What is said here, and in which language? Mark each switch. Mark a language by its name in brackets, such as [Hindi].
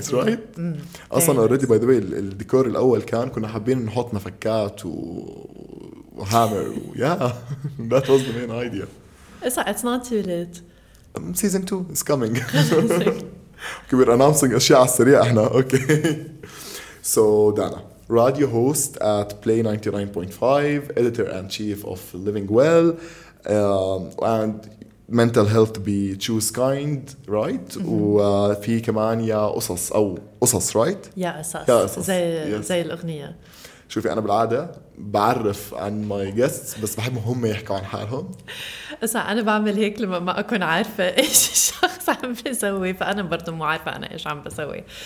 [English] It's nice, right? أصلاً already by the way [Arabic] الديكور الأول كان كنا حابين نحط مفكات وهامر و [English] yeah that was the main idea. It's not too late. Season 2 is coming. Okay, we're announcing [Arabic] أشياء على السريع إحنا. [English] Okay. So Dana, radio host at Play 99.5, editor and chief of Living Well, and mental health be choose kind, right? [Arabic] وفي كمان يا قصص أو قصص, right? يا قصص. زي الأغنية. شوفي أنا بالعادة بعرف عن [English] my guests [Arabic] بس بحبهم هم يحكوا عن حالهم. أسا أنا بعمل هيك لما ما أكون عارفة إيش الشخص عم بيسوي، فأنا برضو مو عارفة أنا إيش عم بسوي.